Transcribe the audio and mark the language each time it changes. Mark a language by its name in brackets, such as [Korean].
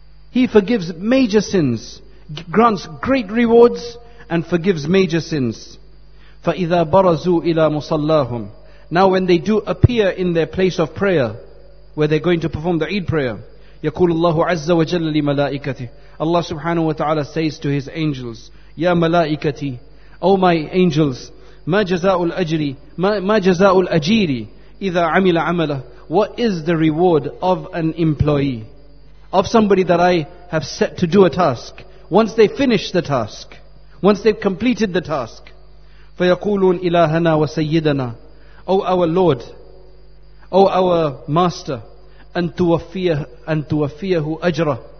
[English] He forgives major sins, grants great rewards and forgives major sins. [Arabic] فَإِذَا بَرَزُوا إِلَى مُصَلَّاهُمْ. [English] Now when they do appear in their place of prayer, where they're going to perform the Eid prayer, [Arabic] يَقُولُ اللَّهُ عَزَّ وَجَلَّ لِمَلَائِكَتِهِ. [English] Allah subhanahu wa ta'ala says to his angels, [Arabic] يَا مَلَائِكَتِي. [English] O my angels, [Arabic] مَا جَزَاءُ الْأَجْرِ مَا جَزَاءُ الْأَجِيرِ إِذَا عَمِلَ عَمَلَهُ. [English] What is the reward of an employee? Of somebody that I have set to do a task. Once they finish the task, once they've completed the task. [Arabic] فَيَقُولُونَ إِلَهَنَا وَسَيِّدَنَا. [English] O our Lord, O our Master, [Arabic] أَنْتُوَفِّيَهُ أَجْرَهُ.